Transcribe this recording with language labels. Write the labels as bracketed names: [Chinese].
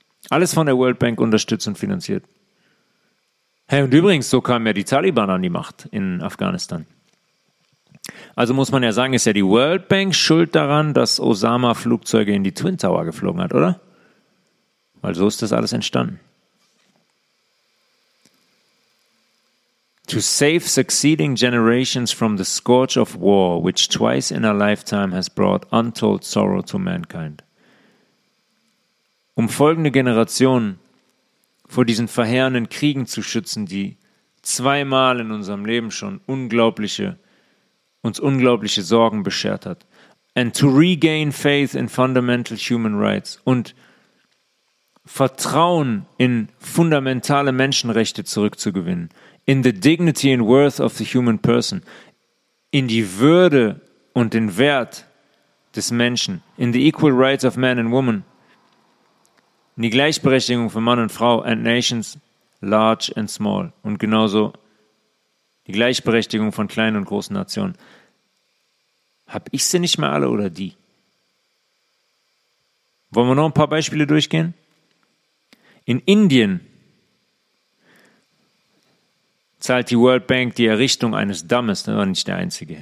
[German] Alles von der World Bank unterstützt und finanziert. Hey, und übrigens, so kamen ja die Taliban an die Macht in Afghanistan. Also muss man ja sagen, ist ja die World Bank schuld daran, dass Osama Flugzeuge in die Twin Tower geflogen hat, oder? Weil so ist das alles entstanden. [English] To save succeeding generations from the scourge of war, which twice in a lifetime has brought untold sorrow to mankind. [German] Um folgende Generationen vor diesen verheerenden Kriegen zu schützen, die zweimal in unserem Leben schon uns unglaubliche Sorgen beschert hat. [English] And to regain faith in fundamental human rights [German] und Vertrauen in fundamentale Menschenrechte zurückzugewinnen. [English] In the dignity and worth of the human person. [German] In die Würde und den Wert des Menschen. [English] In the equal rights of man and woman. [German] In die Gleichberechtigung von Mann und Frau [English] and nations large and small. [German] Und genauso die Gleichberechtigung von kleinen und großen Nationen. Hab ich sie nicht mehr alle oder die? Wollen wir noch ein paar Beispiele durchgehen? In Indien zahlt die World Bank die Errichtung eines Dammes, das war nicht der einzige.